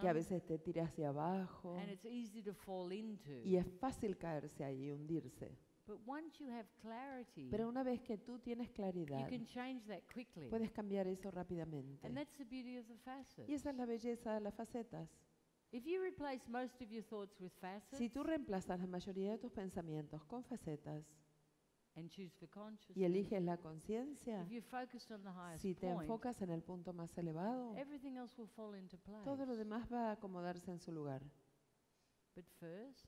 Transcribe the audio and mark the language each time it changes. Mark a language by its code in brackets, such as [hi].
[es] que a veces te tira hacia abajo. [en] And it's easy to fall into. [es] Y es fácil caerse ahí y hundirse. [en] But once you have clarity, [es] pero una vez que tú tienes claridad, [en] you can change that quickly. [es] Puedes cambiar eso rápidamente. [en] And that's the beauty of the facets. [es] Y esa es la belleza de las facetas. [en] If you replace most of your thoughts with facets, [es] si tú reemplazas la mayoría de tus pensamientos con facetas, [en] and choose for consciousness, [es] y eliges la conciencia, [en] if you're focused on the highest [es] si te enfocas [en] point, [es] en el punto más elevado, [en] everything else will fall into place. [es] Todo lo demás va a acomodarse en su lugar. [en] But first,